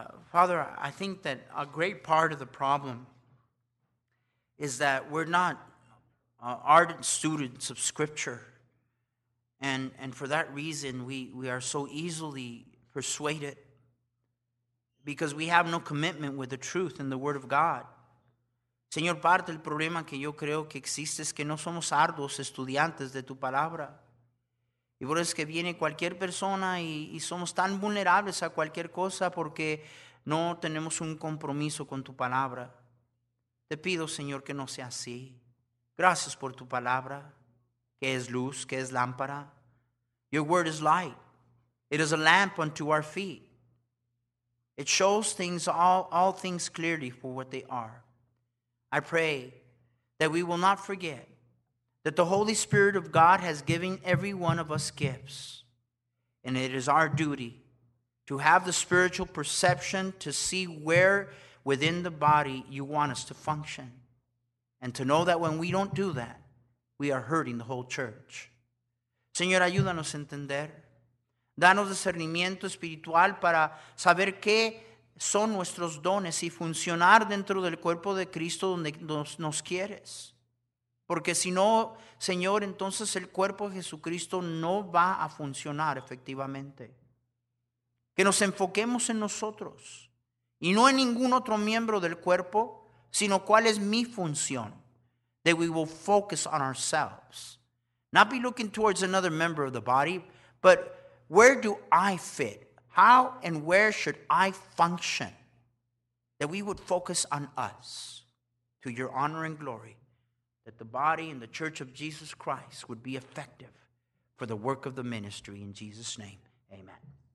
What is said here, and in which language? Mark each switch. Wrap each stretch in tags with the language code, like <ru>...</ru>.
<en>Father, I think that a great part of the problem is that we're not ardent students of scripture. And for that reason, we are so easily persuaded because we have no commitment with the truth in the word of God.</en> <es>Señor, parte del problema que yo creo que existe es que no somos arduos estudiantes de tu palabra. Y por eso es que viene cualquier persona y somos tan vulnerables a cualquier cosa porque no tenemos un compromiso con tu palabra. Te pido, Señor, que no sea así. Gracias por tu palabra, que es luz, que es lámpara.</es> <en>Your word is light. It is a lamp unto our feet. It shows things, all things clearly for what they are. I pray that we will not forget that the Holy Spirit of God has given every one of us gifts. And it is our duty to have the spiritual perception to see where within the body you want us to function. And to know that when we don't do that, we are hurting the whole church.</en> <es>Señor, ayúdanos a entender. Danos discernimiento espiritual para saber qué son nuestros dones y funcionar dentro del cuerpo de Cristo donde nos quieres. Porque si no, Señor, entonces el cuerpo de Jesucristo no va a funcionar efectivamente. Que nos enfoquemos en nosotros y no en ningún otro miembro del cuerpo, sino cuál es mi función.</es> <en>That we will focus on ourselves. Not be looking towards another member of the body, but where do I fit? How and where should I function? That we would focus on us to your honor and glory. That the body and the church of Jesus Christ would be effective for the work of the ministry. In Jesus' name, amen.</en>